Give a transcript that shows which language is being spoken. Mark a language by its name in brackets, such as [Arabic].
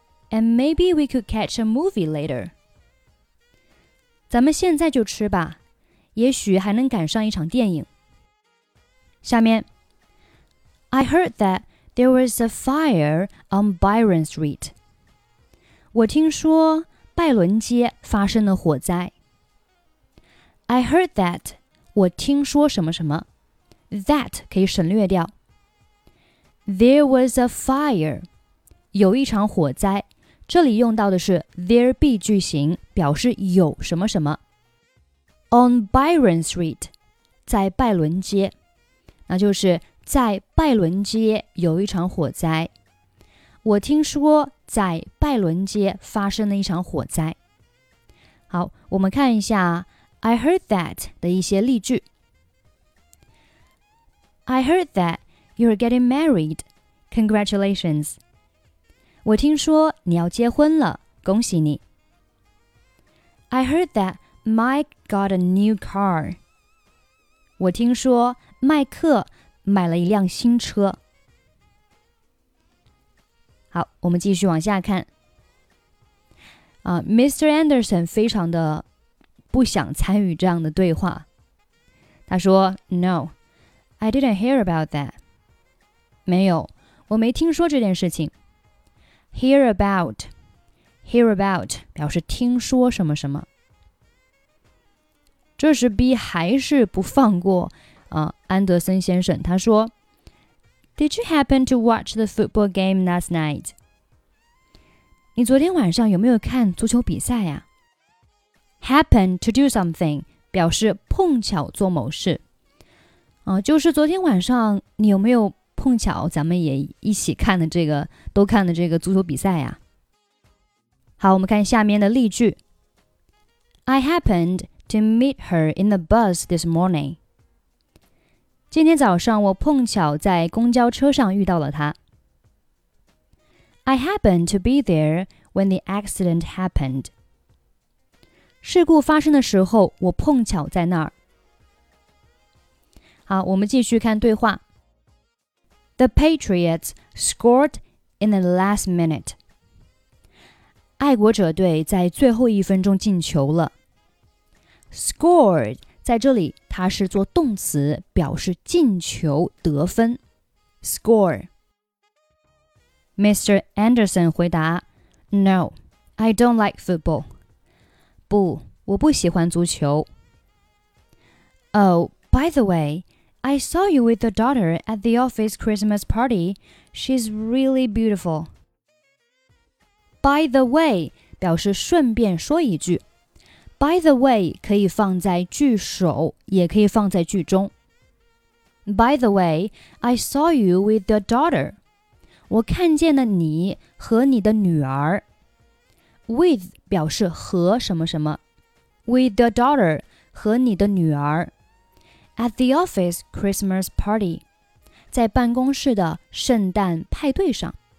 [English] And maybe we could catch a movie later. [Chinese] 咱们现在就吃吧，也许还能赶上一场电影。下面 [English] I heard that there was a fire on Byron Street. [Chinese] 我听说拜伦街发生了火灾。 [English] I heard that, [Chinese] 我听说什么什么。 That 可以省略掉。 [English] There was a fire. [Chinese] 有一场火灾。这里用到的是 there be 句型，表示有什么什么。 [English] On Byron Street, [Chinese] 在拜伦街。那就是在拜伦街有一场火灾。我听说在拜伦街发生了一场火灾。好，我们看一下 [English] I heard that [Chinese] 的一些例句。 [English] I heard that you're getting married. Congratulations. [Chinese] 我听说你要结婚了，恭喜你。 [English] I heard that Mike got a new car. [Chinese] 我听说麦克买了一辆新车。好，我们继续往下看。Mr. Anderson 非常的不想参与这样的对话。他说 [English] No, I didn't hear about that. [Chinese] 没有，我没听说这件事情。 [English] Hear about [Chinese] 表示听说什么什么。这时 B 还是不放过安德森先生，他说 [English] Did you happen to watch the football game last night? [Chinese] 你昨天晚上有没有看足球比赛呀？ [English] Happen to do something [Chinese] 表示碰巧做某事就是昨天晚上你有没有碰巧咱们也一起看的这个都看的这个足球比赛呀？好，我们看下面的例句。 [English] I happened to meet her in the bus this morning. [Chinese] 今天早上我碰巧在公交车上遇到了他。 [English] I happened to be there when the accident happened. [Chinese] 事故发生的时候我碰巧在那儿。好，我们继续看对话。 [English] The Patriots scored in the last minute. [Chinese] 爱国者队在最后一分钟进球了。 [English] Scored. [Chinese] 在这里它是做动词表示进球得分 [English] score [Chinese] Mr. Anderson 回答 [English] No, I don't like football [Chinese] 不我不喜欢足球 [English] Oh, by the way I saw you with your daughter at the office Christmas party She's really beautiful [Chinese] By the way 表示顺便说一句By the way, 可以放在句首，也可以放在句中。 [English] By the way, I saw you with your daughter. [Chinese] 我看见了你和你的女儿。 With 表示和什么什么。 [English] With your daughter, [Chinese] 和你的女儿。 [English] At the office Christmas party. [Chinese] 在办公室的圣诞派对上。